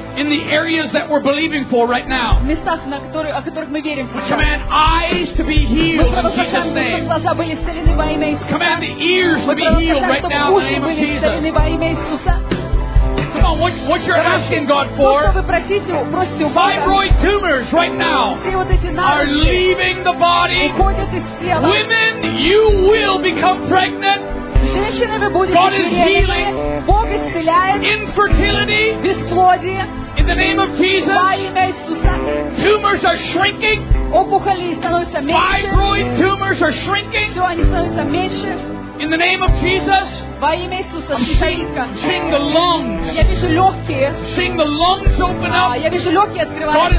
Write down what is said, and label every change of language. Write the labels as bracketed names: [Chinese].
[English] In the areas that we're believing for right now. [Russian] Местах, на которых, о которых мы верим сейчас. [English] Command eyes to be healed in Jesus' name. [Russian] Мы провозглашаем, чтобы глаза были исцелены во имя Иисуса. [English] Command the ears to be healed right now in the name of Jesus. [Russian] Чтобы уши были исцелены во имя Иисуса. [English] Come on, what you're asking God for? [Russian] То, что вы просите, просите у Бога. [English] Fibroid tumors right now. [Russian] Все вот эти наросты. [English] Are leaving the body. [Russian] Уходят из тела. [English] Women, you will become pregnant. [Russian] Женщины, вы будете [English] God is healing. [Russian] Бог исцеляет. [English] Infertility. [Russian] Бесплодие. [English] In the name of Jesus, tumors are shrinking. [Russian] Опухоли становятся меньше. [English] Fibroid tumors are shrinking. [Russian] Все они становятся меньше. [English] In the name of Jesus, [Russian] во имя Иисуса, [English] sing the lungs. [Russian] Я вижу легкие. [English] Sing the lungs open up. [Russian] Я вижу легкие открываются.